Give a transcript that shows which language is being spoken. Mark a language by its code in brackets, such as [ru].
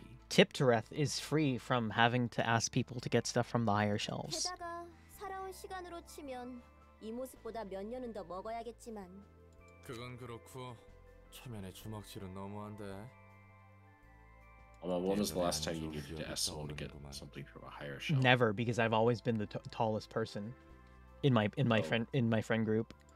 [en] Tip the Earth is free from having to ask people to get stuff from the higher shelves. [ko] 게다가 살아온 시간으로 치면. 이 모습보다 몇 년은 더 먹어야겠지만. 그건 그렇고 초면에 주먹질은 너무한데. [en] Well, when was the last time you needed to ask someone to get something from a higher shelf? Never, because I've always been the tallest person in my friend group.